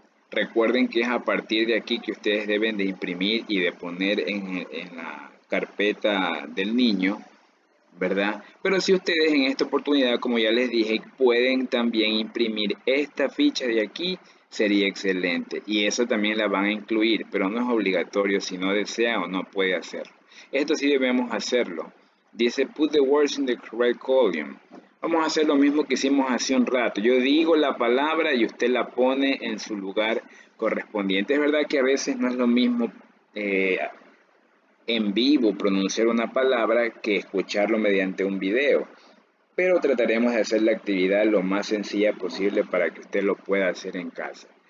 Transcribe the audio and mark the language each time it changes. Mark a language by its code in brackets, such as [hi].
[es] Recuerden que es a partir de aquí que ustedes deben de imprimir y de poner en la carpeta del niño. ¿Verdad? Pero si ustedes en esta oportunidad, como ya les dije, pueden también imprimir esta ficha de aquí, sería excelente. Y eso también la van a incluir, pero no es obligatorio si no desea o no puede hacerlo. Esto sí debemos hacerlo. [en] Dice, put the words in the correct column. [es] Vamos a hacer lo mismo que hicimos hace un rato. Yo digo la palabra y usted la pone en su lugar correspondiente. Es verdad que a veces no es lo mismo en vivo pronunciar una palabra que escucharlo mediante un video, pero trataremos de hacer la actividad lo más sencilla posible para que usted lo pueda hacer en casa.